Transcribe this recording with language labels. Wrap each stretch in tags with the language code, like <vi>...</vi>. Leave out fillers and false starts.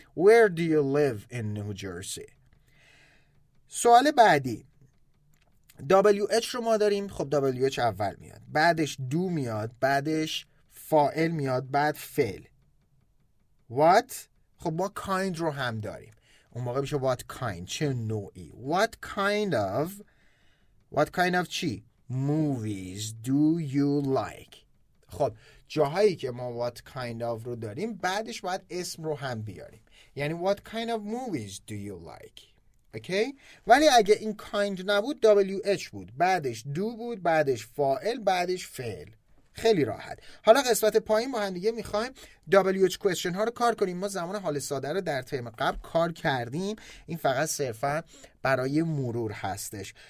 <en>Where do you live in New Jersey؟</en> <fa>سوال بعدی WH رو ما داریم، خب WH اول میاد، بعدش do میاد، بعدش فاعل میاد، بعد فعل. What؟ خب ما kind رو هم داریم، اون موقع میشه what kind، چه نوعی. What kind of، what kind of چی؟</fa> <en>Movies do you like؟</en> <fa>خب جاهایی که ما what kind of رو داریم، بعدش باید اسم رو هم بیاریم، یعنی</fa> <en>what kind of movies do you like. okay.</en> <fa>ولی اگه این kind نبود، WH بود، بعدش do بود، بعدش فاعل، بعدش فعل. خیلی راحت. حالا قسمت پایین با هم دیگه میخوایم WH question ها رو کار کنیم. ما زمان حال ساده رو در ترم قبل کار کردیم، این فقط صرفا برای مرور هستش.</fa>